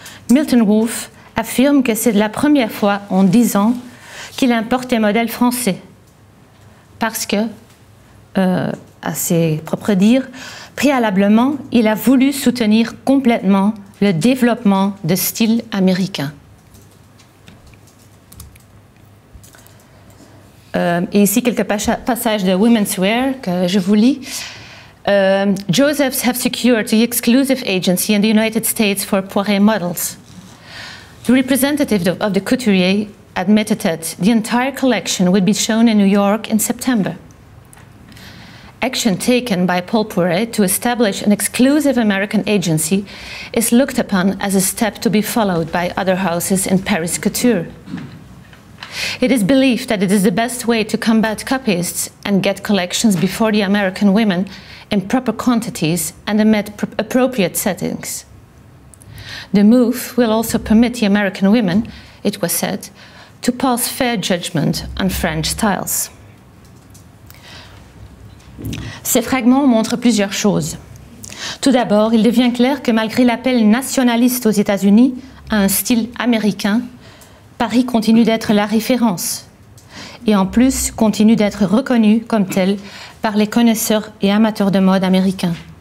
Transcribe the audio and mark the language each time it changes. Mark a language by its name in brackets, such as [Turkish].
[French] Milton Wolf affirme que c'est la première fois en 10 ans qu'il importe des modèles français parce que à ses propres dires, préalablement, il a voulu soutenir complètement le développement de style américain. Et ici, quelques passages de Women's Wear que je vous lis. [English] Josephs have secured the exclusive agency in the United States for Poiret models. The representative of the couturier admitted that the entire collection would be shown in New York in September. Action taken by Paul Poiret to establish an exclusive American agency is looked upon as a step to be followed by other houses in Paris couture. It is believed that it is the best way to combat copyists and get collections before the American women in proper quantities and amid appropriate settings. The move will also permit the American women, it was said, to pass fair judgment on French styles. [French] Ces fragments montrent plusieurs choses. Tout d'abord, il devient clair que malgré l'appel nationaliste aux États-Unis à un style américain, Paris continue d'être la référence et en plus continue d'être reconnu comme tel par les connaisseurs et amateurs de mode américains.